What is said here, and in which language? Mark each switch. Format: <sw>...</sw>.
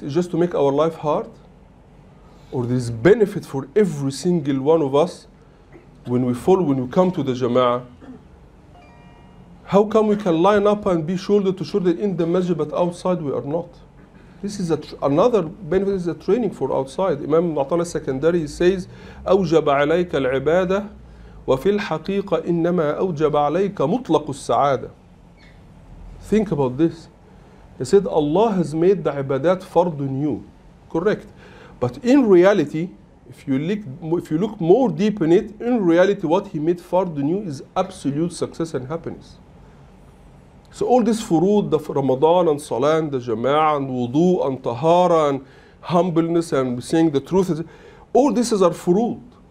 <en>It's just to make our life hard? Or there is benefit for every single one of us when we fall, when we come to the jama'ah? How come we can line up and be shoulder to shoulder in the masjid, but outside we are not? This is another benefit, is a training for outside. Imam Atala Secondary says,</en> <ar>أوجب عليك العبادة وفي الحقيقة إنما أوجب عليك مطلق السعادة.</ar> <en>Think about this. He said, Allah has made the ibadat fard on you. Correct. But in reality, if you look more deep in it, in reality what He made fard on you is absolute success and happiness. So all this furud, the Ramadan and Salah, the Jama'ah and Wudu and Tahara and humbleness and saying the truth, all this is our furud.</en>